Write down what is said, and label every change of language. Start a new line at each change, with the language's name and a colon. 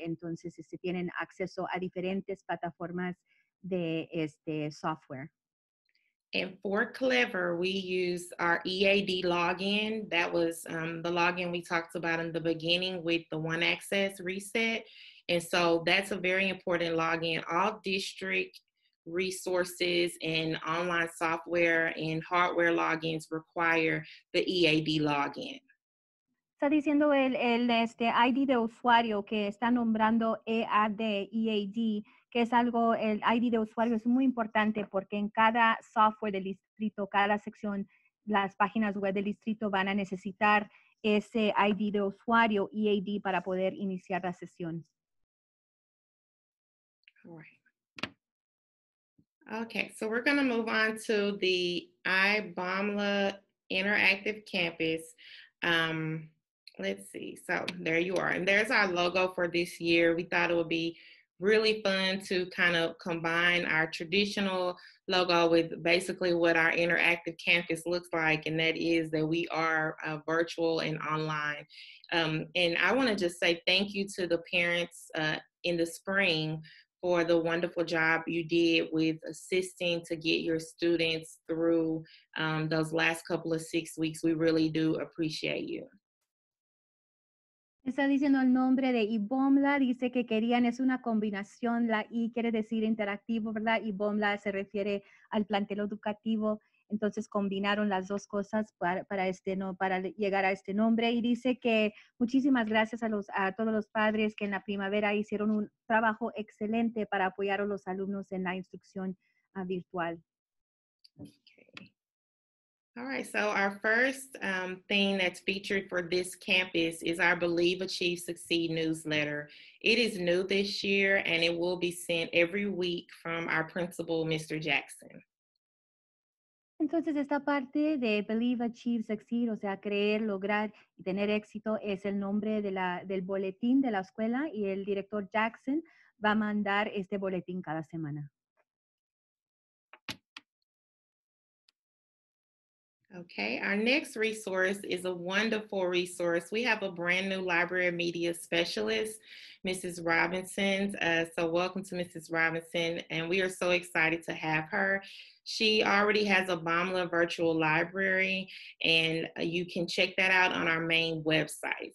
Spanish: Entonces este, tienen acceso a diferentes plataformas de este software.
English: And for Clever, we use our EAD login. That was the login we talked about in the beginning with the One Access reset. And so that's a very important login. All district resources and online software and hardware logins require the EAD login.
Spanish: Está diciendo el ID de usuario que está nombrando EAD, EAD, que es algo, el ID de usuario es muy importante porque en cada software del distrito, cada sección, las páginas web del distrito van a necesitar ese ID de usuario, EAD, para poder iniciar la sesión.
English: Okay, so we're going to move on to the iBOMLA Interactive Campus. Let's see. So there you are. And there's our logo for this year. We thought it would be really fun to kind of combine our traditional logo with basically what our interactive campus looks like. And that is that we are virtual and online. And I want to just say thank you to the parents in the spring for the wonderful job you did with assisting to get your students through those last couple of 6 weeks. We really do appreciate you.
Spanish: Está diciendo el nombre de iBOMLA, dice que querían, es una combinación, la I quiere decir interactivo, ¿verdad? iBOMLA se refiere al plantel educativo, entonces combinaron las dos cosas para llegar a este nombre. Y dice que muchísimas gracias a todos los padres que en la primavera hicieron un trabajo excelente para apoyar a los alumnos en la instrucción virtual.
English: All right, so our first thing that's featured for this campus is our Believe, Achieve, Succeed newsletter. It is new this year and it will be sent every week from our principal, Mr. Jackson.
Spanish: Entonces, esta parte de Believe, Achieve, Succeed, o sea, creer, lograr y tener éxito, es el nombre del boletín de la escuela y el director Jackson va a mandar este boletín cada semana.
English: Okay, our next resource is a wonderful resource. We have a brand new library media specialist, Mrs. Robinson. So welcome to Mrs. Robinson, and we are so excited to have her. She already has a BOMLA virtual library, and you can check that out on our main website.